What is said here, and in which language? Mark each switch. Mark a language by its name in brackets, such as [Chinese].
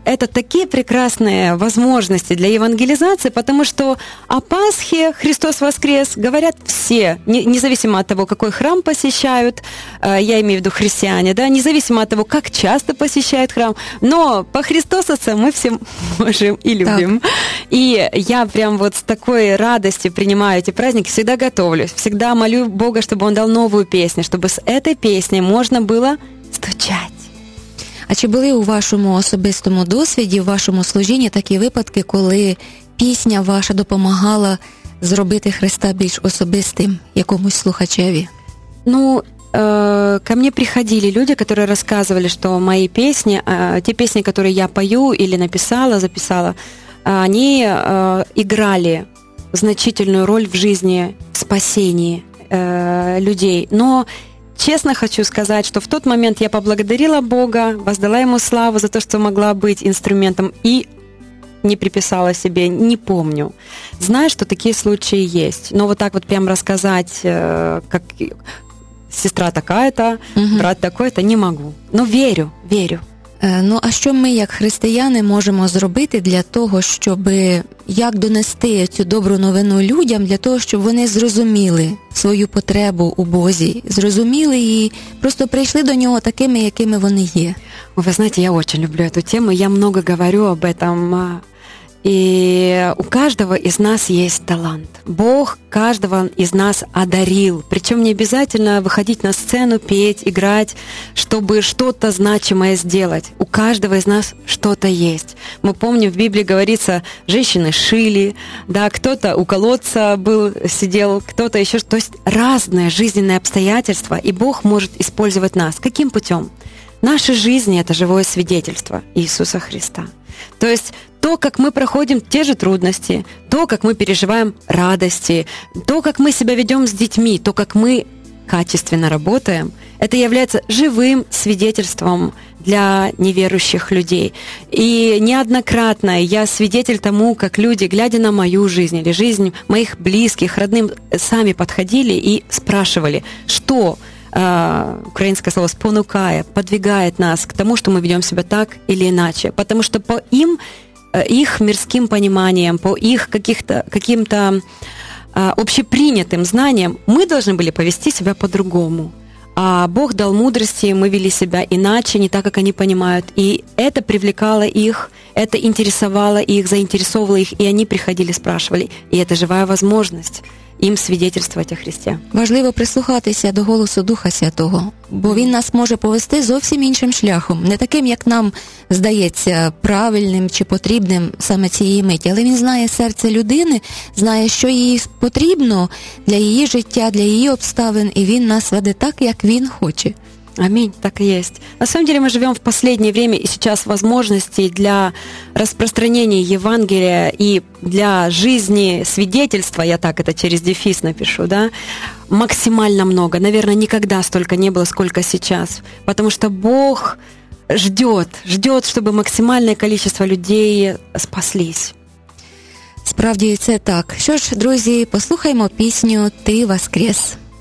[Russian] Это такие прекрасные возможности для евангелизации, потому что о Пасхе, Христос воскрес, говорят все, независимо от того, какой храм посещают, я имею в виду христиане, да, независимо от того, как часто посещают храм, но по Христосовцам мы все можем и любим. Так. И я прям вот с такой радостью принимаю эти праздники, всегда готовлюсь, всегда молю Бога, чтобы Он дал новую песню, чтобы с этой песней можно было стучать. [Ukrainian] А чи були у вашому особистому досвіді, в вашому служінні такі випадки, коли пісня ваша допомагала зробити Христа більш особистим якомусь слухачеві? [Russian] Ну, ко мне приходили люди, которые рассказывали, что мои песни, те песни, которые я пою или написала, записала, они играли значительную роль в жизни, в спасении людей. Но честно хочу сказать, что в тот момент я поблагодарила Бога, воздала Ему славу за то, что могла быть инструментом, и не приписала себе, не помню. Знаю, что такие случаи есть. Но вот так вот прям рассказать, как сестра такая-то, угу, брат такой-то, не могу. Но верю, верю. [Ukrainian] Ну, а що ми, як християни, можемо зробити для того, щоб як донести цю добру новину людям, для того, щоб вони зрозуміли свою потребу у Бозі, зрозуміли і просто прийшли до нього такими, якими вони є? Ви знаєте, я дуже люблю цю тему, я багато говорю [Russian] об этом. [Ukrainian] І у кожного із нас є талант. Бог кожного із нас одарив. Причому не обов'язково виходити на сцену, петь, грати, щоб щось значимое зробити. У кожного із нас щось є. Ми пам'ятаємо, в Біблії говориться, жінки шили, да, хтось у колодця був, сидів, хтось ще. Тобто, різні життєві обстоятельства, і Бог може використовувати нас. Яким путем? Наші життя – це живе свідчення Ісуса Христа. Тобто, [Russian] то, как мы проходим те же трудности, то, как мы переживаем радости, то, как мы себя ведем с детьми, то, как мы качественно работаем, это является живым свидетельством для неверующих людей. И неоднократно я свидетель тому, как люди, глядя на мою жизнь или жизнь моих близких, родным, сами подходили и спрашивали, что, украинское слово спонукая, подвигает нас к тому, что мы ведем себя так или иначе. Потому что по им их мирским пониманием, по их каким-то общепринятым знаниям, мы должны были повести себя по-другому. А Бог дал мудрости, мы вели себя иначе, не так, как они понимают. И это привлекало их, это интересовало их, заинтересовало их, и они приходили, спрашивали. И это живая возможность [Ukrainian] їм свідчити [Russian] о Христі. [Ukrainian] Важливо прислухатися до голосу Духа Святого, бо він нас може повести зовсім іншим шляхом, не таким, як нам здається правильним чи потрібним саме цієї миті, але він знає серце людини, знає, що їй потрібно для її життя, для її обставин, і він нас веде так, як він хоче. [Russian] Аминь, так и есть. На самом деле мы живем в последнее время, и сейчас возможности для распространения Евангелия и для жизни свидетельства, я так это через дефис напишу, да, максимально много. Наверное, никогда столько не было, сколько сейчас. Потому что Бог ждет, чтобы максимальное количество людей спаслись. [Ukrainian] Справді, це так. Що ж, друзі, послухаємо пісню «Ти воскрес».